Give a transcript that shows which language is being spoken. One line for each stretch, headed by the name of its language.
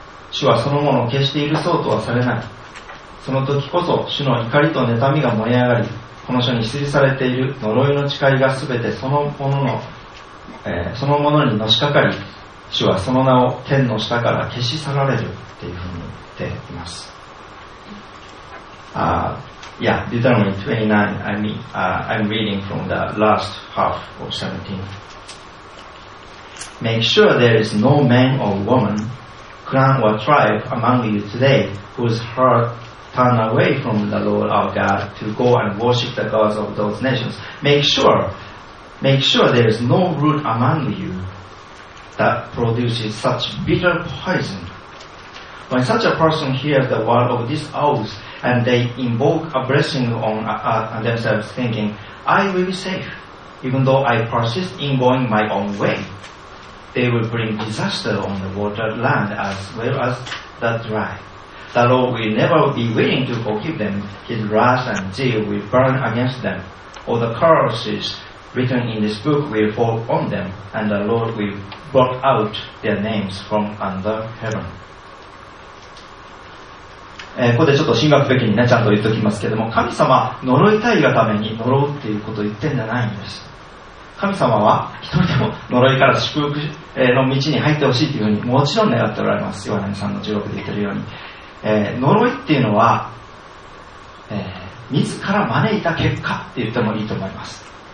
Japanese: 主はそのものを決して許そうとはされない。その時こそ主の怒りと妬みが燃え上がり、この書に記されている呪いの誓いがすべてそのものにのしかかり、主はその名を天の下から消し去られるというふうに言っています。
English: Deuteronomy 29, I'm reading from the last half of 17. Make sure there is no man or woman, clan or tribe among you today whose heart turn away from the Lord our God to go and worship the gods of those nations. Make sure there is no root among you that produces such bitter poison. When such a person hears the word of this oath, and they invoke a blessing on themselves, thinking, I will be safe, even though I persist in going my own way, they will bring disaster on the watered land as well as the dry. The Lord will never be willing to forgive them. His wrath and zeal will burn against them. All the curses written in this book will fall on them, and the Lord will blot out their names from under heaven.
Japanese: ここでちょっと神学的にね、ちゃんと言っておきますけども、神様、呪いたいがために呪うっていうことを言ってんじゃないんです。神様は一人でも呪いから祝福の道に入ってほしいっていうふうにもちろん願っておられます。ヨハネさんの16で言ってるように、呪いっていうのは、自ら招いた結果って言ってもいいと思います。